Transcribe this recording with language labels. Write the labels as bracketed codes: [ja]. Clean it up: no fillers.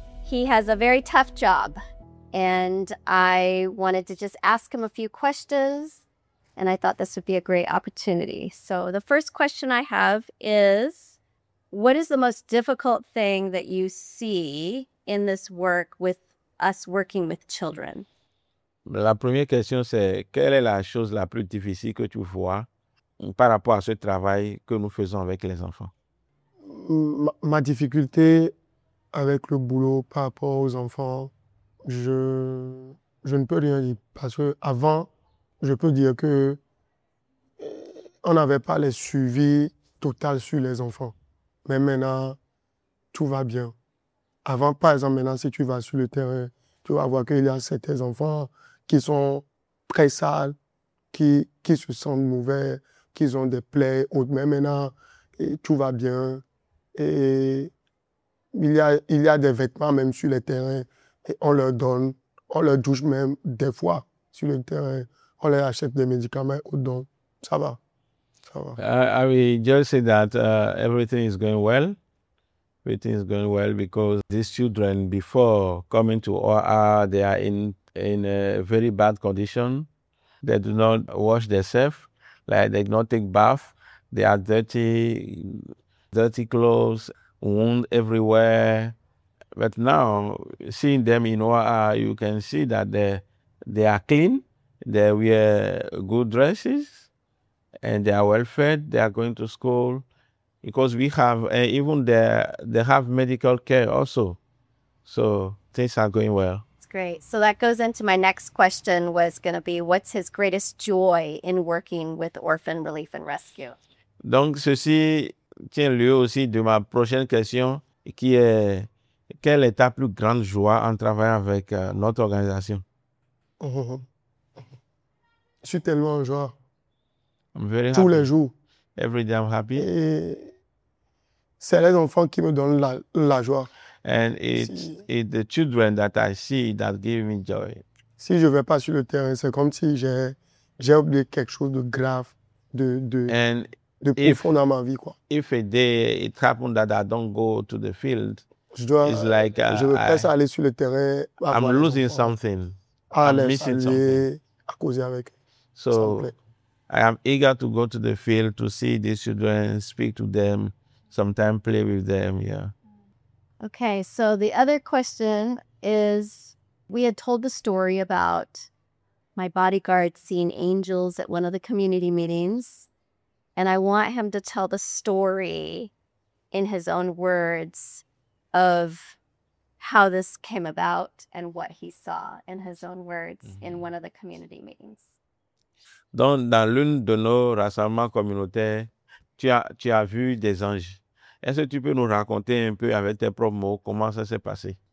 [en] He has a very tough job, and I wanted to just ask him a few questions, and I thought this would be a great opportunity. So the first question I have is, what is the most difficult thing that you see in this work with us working with children? [fr] La première question, c'est quelle est la chose la plus difficile que tu vois par rapport à ce travail que nous faisons avec les enfants? Ma difficulté avec le boulot par rapport aux enfants, je ne peux rien dire, parce que avant, je peux dire que on n'avait pas les suivis total sur les enfants. Mais maintenant, tout va bien. Avant, par exemple, maintenant, si tu vas sur le terrain, tu vas voir qu'il y a certains enfants qui sont très sales, qui se sentent mauvais, qui ont des plaies. Mais maintenant, tout va bien. Et il y a des vêtements même sur les terrains. Et on leur donne, on leur douche même des fois sur le terrain. On leur achète des médicaments, on donne. Ça va. [en] I will just say that everything is going well. Everything is going well because these children, before coming to OR, they are in a very bad condition. They do not wash themselves. Like, they do not take bath. They are dirty clothes, wound everywhere. But now, seeing them in OR, you can see that they are clean. They wear good dresses. And they are well fed, they are going to school. Because we have, even they have medical care also. So things are going well. That's great. So that goes into my next question, was going to be, what's his greatest joy in working with Orphan Relief and Rescue? [fr] Donc ceci tient lieu aussi de ma prochaine question, qui est, quelle est ta plus grande joie en travaillant avec notre organisation? Je suis tellement en joie. [en] I'm very [fr] tous [en] happy. [fr] Les jours. [en] Every day I'm happy. [fr] Et c'est les enfants qui me donnent la joie. [en] And it's the children that I see that give me joy. [fr] Si je ne vais pas sur le terrain, c'est comme si j'ai oublié quelque chose de grave, de profond dans ma vie, quoi. [en] If a day it happens that I don't go to the field, it's like [fr] je veux presque aller sur le terrain. [en] I'm losing something. I'm missing something. [fr] À cause avec. [en] So, I am eager to go to the field to see these children, speak to them, sometimes play with them, yeah. Okay, so the other question is, we had told the story about my bodyguard seeing angels at one of the community meetings, and I want him to tell the story in his own words of how this came about and what he saw in his own words in one of the community meetings. [fr] Donc, dans l'une de nos rassemblements communautaires, tu as vu des anges. Est-ce que tu peux nous raconter un peu avec tes propres mots comment ça s'est passé?